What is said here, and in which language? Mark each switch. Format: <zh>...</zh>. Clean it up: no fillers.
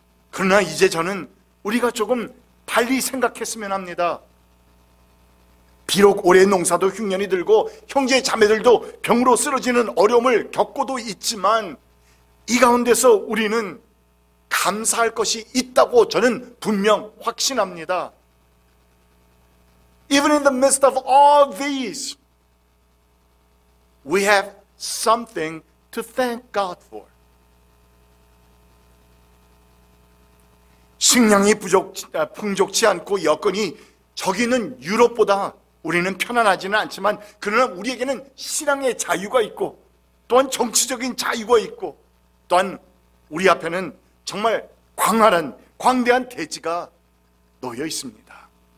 <ko>그러나 이제 저는 우리가 조금 달리 생각했으면 합니다. 비록 올해 농사도 흉년이 들고 형제 자매들도 병으로 쓰러지는 어려움을 겪고도 있지만 이 가운데서 우리는 감사할 것이 있다고 저는 분명 확신합니다.</ko> <en>Even in the midst of all these, we have something to thank God for.</en> <ko>식량이 풍족치 않고 여건이 저기는 유럽보다 우리는 편안하지는 않지만 그러나 우리에게는 신앙의 자유가 있고 또한 정치적인 자유가 있고 또한 우리 앞에는 정말 광활한 광대한 대지가 놓여 있습니다.</ko>